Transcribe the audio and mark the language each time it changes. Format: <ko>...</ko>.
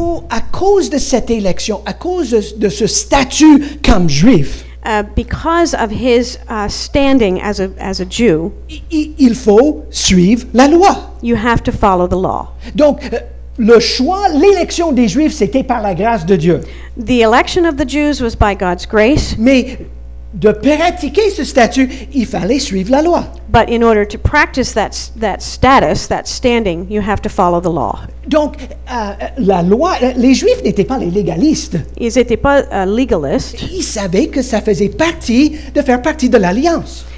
<fr>À cause de cette élection, à cause de ce statut comme juif,</fr> <en>Because of his standing as a Jew,</en> <fr>il faut suivre la loi.</fr> <en>You have to follow the law.</en> <fr>Donc, le choix, l'élection des Juifs, c'était par la grâce de Dieu.</fr> <en>The election of the Jews was by God's grace.</en> <fr>Mais de pratiquer ce statut, il fallait suivre la loi.</fr> <en>But in order to practice that status, that standing, you have to follow the law.</en> <fr>Donc, la loi, les Juifs n'étaient pas les légalistes. Ils n'étaient pas legalists. Ils savaient que ça faisait partie de faire partie de l'alliance.</fr>